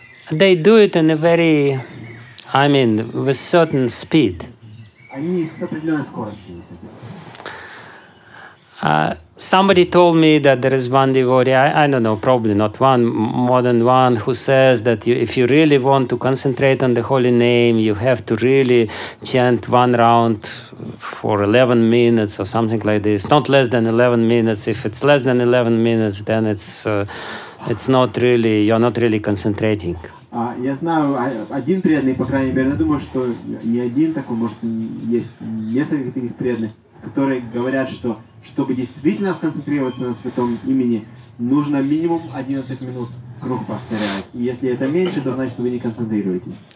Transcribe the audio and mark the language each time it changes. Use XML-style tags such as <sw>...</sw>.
<en>They do it in a very, I mean, with certain speed.</en> <ru>Они с определенной скоростью.</ru> <en>Somebody told me that there is one devotee, I don't know, probably not one, more than one, who says that you, if you really want to concentrate on the holy name, you have to really chant one round for 11 minutes or something like this, not less than 11 minutes. If it's less than 11 minutes, then it's not really, you're not really concentrating.</en> <ru>Я знаю один преданный, по крайней мере, я думаю, что не один такой, может, есть несколько таких преданных, которые говорят, что чтобы действительно сконцентрироваться на святом имени, нужно минимум 11 минут круг повторять. И если это меньше, то значит, вы не концентрируетесь.</ru>